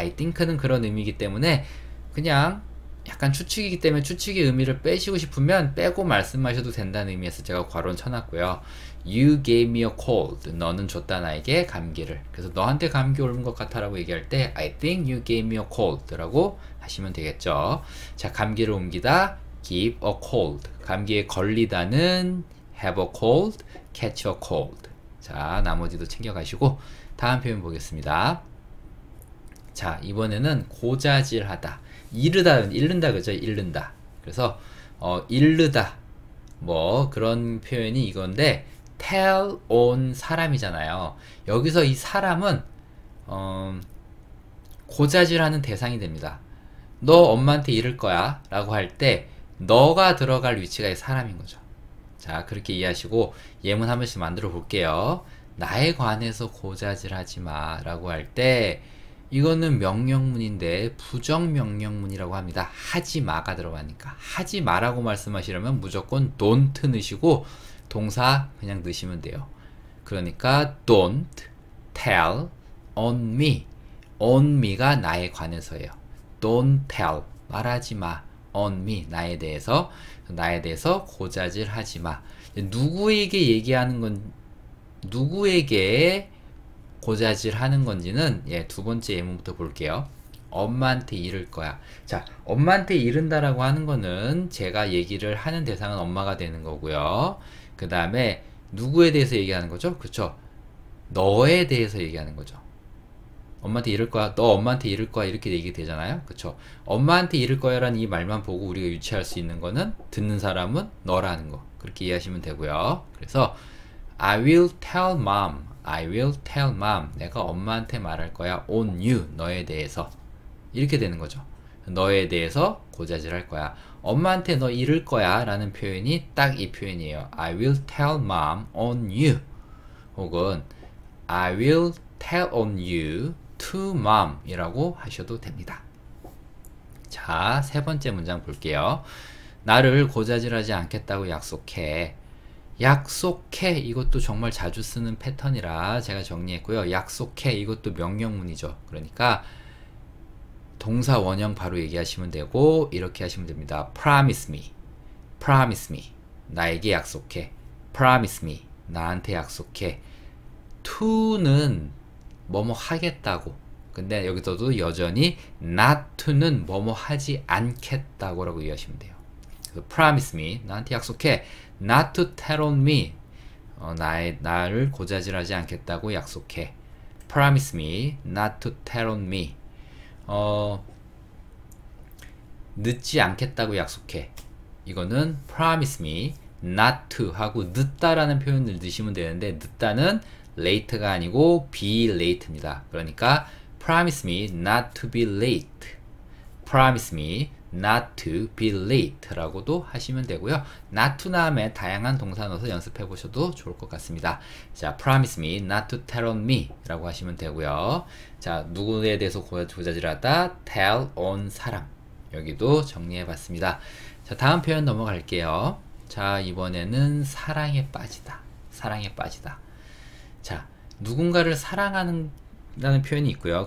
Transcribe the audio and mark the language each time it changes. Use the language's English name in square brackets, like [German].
[Korean] I think는 그런 의미이기 때문에 그냥 약간 추측이기 때문에 추측의 의미를 빼시고 싶으면 빼고 말씀하셔도 된다는 의미에서 제가 과로는 쳐놨고요. [English] You gave me a cold. [Korean] 너는 줬다 나에게 감기를. 그래서 너한테 감기 옮은 것 같아라고 얘기할 때 [English] I think you gave me a cold [Korean] 라고 하시면 되겠죠. 자, 감기를 옮기다. [English] Give a cold. [Korean] 감기에 걸리다는 [English] have a cold, catch a cold. [Korean] 자, 나머지도 챙겨가시고 다음 표현 보겠습니다. 자, 이번에는 고자질하다. 이르다, 이른다 그죠? 이른다. 그래서 이르다 뭐 그런 표현이 이건데 tell on 사람이잖아요. 여기서 이 사람은 고자질하는 대상이 됩니다. 너 엄마한테 이를 거야 라고 할 때, 너가 들어갈 위치가 이 사람인 거죠. 자, 그렇게 이해하시고, 예문 한 번씩 만들어 볼게요. 나에 관해서 고자질하지 마 라고 할 때, 이거는 명령문인데, 부정명령문이라고 합니다. 하지 마가 들어가니까. 하지 마라고 말씀하시려면 무조건 don't 넣으시고, 동사 그냥 넣으시면 돼요. 그러니까, [English] don't tell on me. On me [Korean] 가 나에 관해서예요. [English] Don't tell. [Korean] 말하지 마. [English] On me. [Korean] 나에 대해서. 나에 대해서 고자질하지 마. 누구에게 얘기하는 건, 누구에게 고자질하는 건지는, 예, 두 번째 예문부터 볼게요. 엄마한테 이를 거야. 자, 엄마한테 이른다라고 하는 거는 제가 얘기를 하는 대상은 엄마가 되는 거고요. 그 다음에 누구에 대해서 얘기하는 거죠? 그쵸? 너에 대해서 얘기하는 거죠. 엄마한테 이를 거야. 너 엄마한테 이를 거야. 이렇게 얘기 되잖아요. 그쵸? 엄마한테 이를 거야라는 이 말만 보고 우리가 유추할 수 있는 거는 듣는 사람은 너라는 거. 그렇게 이해하시면 되고요. [English] 그래서 I will tell mom. I will tell mom. [Korean] 내가 엄마한테 말할 거야. [English] On you. [Korean] 너에 대해서. 이렇게 되는 거죠. 너에 대해서 고자질할 거야. 엄마한테 너 이를 거야. 라는 표현이 딱이 표현이에요. [English] I will tell mom on you. [Korean] 혹은 [English] I will tell on you to mom [Korean] 이라고 하셔도 됩니다. 자, 세 번째 문장 볼게요. 나를 고자질하지 않겠다고 약속해. 약속해. 이것도 정말 자주 쓰는 패턴이라 제가 정리했고요. 약속해. 이것도 명령문이죠. 그러니까 동사 원형 바로 얘기하시면 되고 이렇게 하시면 됩니다. [English] Promise me. Promise me. [Korean] 나에게 약속해. [English] Promise me. [Korean] 나한테 약속해. To는 뭐뭐 하겠다고. 근데 여기서도 여전히 not to는 뭐뭐 하지 않겠다고라고 이해하시면 돼요. 그래서 [English] promise me, [Korean] 나한테 약속해. [English] not to tell on me. [Korean] 나를 고자질하지 않겠다고 약속해. [English] promise me, not to tell on me. [Korean] 늦지 않겠다고 약속해. 이거는 [English] promise me, not to [Korean] 하고 늦다라는 표현을 넣으시면 되는데 늦다는 late가 아니고 be late입니다. 그러니까 [English] promise me not to be late. promise me not to be late [Korean] 라고도 하시면 되고요. not to 다음에 다양한 동사 넣어서 연습해 보셔도 좋을 것 같습니다. [English] 자, promise me not to tell on me [Korean] 라고 하시면 되고요. 자, 누구에 대해서 고자질하다 tell on 사람. 여기도 정리해 봤습니다. 자, 다음 표현 넘어갈게요. 자, 이번에는 사랑에 빠지다. 사랑에 빠지다. 자, 누군가를 사랑하는다는 표현이 있고요.